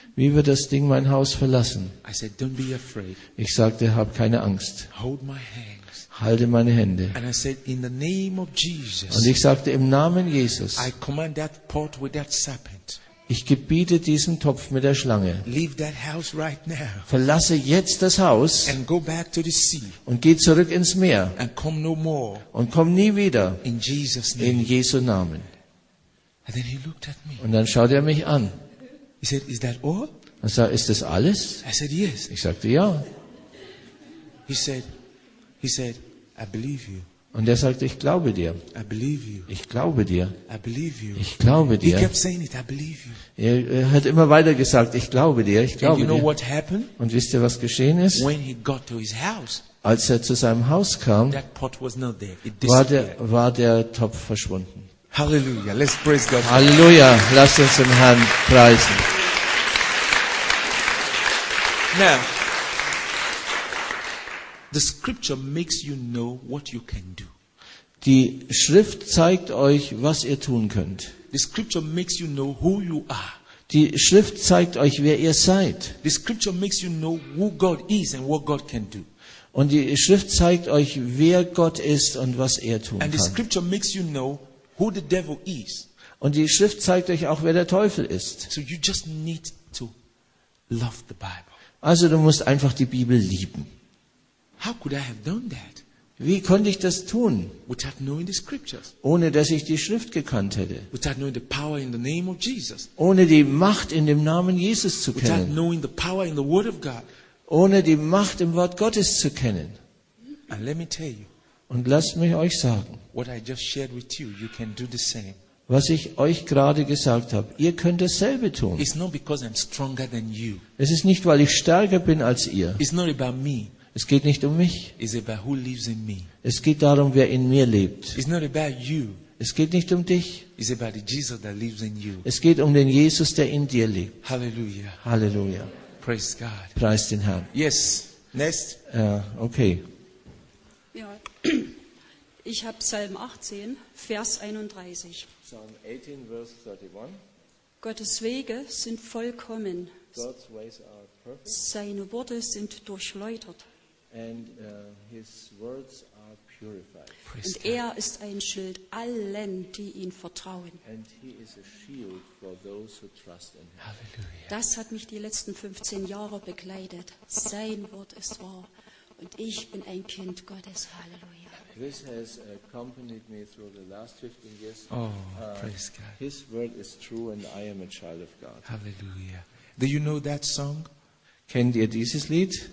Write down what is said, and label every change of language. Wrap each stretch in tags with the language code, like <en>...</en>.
<de>Wie wird das Ding mein Haus verlassen?</de> <en>I said, don't be afraid.</en> <de>Ich sagte, hab keine Angst.</de> <en>Hold my hands.</en> <de>Halte meine Hände.</de> <en>And I said, in the name of Jesus,</en> <de>und ich sagte, im Namen Jesus,</de> <en>I command that pot with that serpent.</en> <de>Ich gebiete diesen Topf mit der Schlange.</de> <en>Leave that house right now.</en> <de>Verlasse jetzt das Haus</de> <en>and go back to the sea.</en> <de>Und geh zurück ins Meer</de> <en>and come no more.</en> <de>Und komm nie wieder</de> <en>in, Jesus name.</en> <de>In Jesu Namen.</de> <en>And then he looked at me.</en> <de>Und dann schaut er mich an.</de> <en>He said, is that all?</en> <de>Er sagte, ist das alles?</de> <en>I said, yes.</en> <de>Ich sagte, ja.</de> <en>He said, I believe you.</en> <de>Und er sagte, ich glaube dir.</de> <en>I believe you.</en> <de>Ich glaube dir.</de> <en>I believe you.</en> <de>Ich glaube dir.</de> <en>He kept saying it, I believe you.</en> <de>Er hat immer weiter gesagt, ich glaube dir, ich glaube dir.</de> <en>And you know what happened?</en> <de>Und wisst ihr, was geschehen ist?</de> <en>When he got to his house,</en> <de>als er zu seinem Haus kam,</de> <en>that pot was not there. It disappeared.</en> <de>War der Topf verschwunden.</de> <en>Hallelujah, let's praise God.</en> <de>Hallelujah, lasst uns den Herrn preisen.</de> <en>Now, the scripture makes you know what you can do.</en> <de>Die Schrift zeigt euch, was ihr tun könnt.</de> <en>The scripture makes you know who you are.</en> <de>Die Schrift zeigt euch, wer ihr seid.</de> <en>The scripture makes you know who God is and what God can do.</en> <de>Und die Schrift zeigt euch, wer Gott ist und was er tun kann.</de> <en>And the scripture makes you know who the devil is.</en> <de>Und die Schrift zeigt euch auch, wer der Teufel ist.</de> <en>So you just need to love the Bible.</en> <de>Also du musst einfach die Bibel lieben.</de> <en>How could I have done that?</en> <de>Wie konnte ich das tun?</de> <en>Without knowing the scriptures.</en> <de>Ohne dass ich die Schrift gekannt hätte.</de> <en>Without knowing the power in the name of Jesus.</en> <de>Ohne die Macht in dem Namen Jesus zu kennen.</de> <en>Without knowing the power in the word of God.</en> <de>Ohne die Macht im Wort Gottes zu kennen.</de> <en>And let me tell you.</en> <de>Und lasst mich euch sagen,</de> <en>what I just shared with you, you can do the same.</en> <de>Was ich euch gerade gesagt habe, ihr könnt dasselbe tun.</de> <en>It's not because I'm stronger than you.</en> <de>Es ist nicht, weil ich stärker bin als ihr.</de> <en>It's not about me.</en> <de>Es geht nicht um mich.</de> <en>It's about who lives in me.</en> <de>Es geht darum, wer in mir lebt.</de> <en>It's not about you.</en> <de>Es geht nicht um dich.</de> <en>It's about the Jesus that lives in you.</en> <de>Es geht um den Jesus, der in dir lebt. Halleluja. Halleluja.</de> <en>Praise God.</en> <de>Preist den Herrn.</de> <en>Yes. Next. Okay.</en> <de>Ja. Ich habe Psalm 18, Vers 31. Psalm 18, Vers 31. Gottes Wege sind vollkommen.</de> <en>God's ways are perfect.</en> <de>Seine Worte sind durchläutert.</de> <en>And, his words are purified.</en> <de>Und er ist ein Schild allen, die ihn vertrauen.</de> <en>And he is a shield for those who trust in him.</en> <de>Halleluja. Das hat mich die letzten 15 Jahre begleitet. Sein Wort ist wahr. Und ich bin ein Kind Gottes. Halleluja.</de> <en>This has accompanied me through the last 15 years. Oh, praise God. His word is true and I am a child of God. Hallelujah. Do you know that song?</en> <de>Kennt ihr dieses Lied?</de>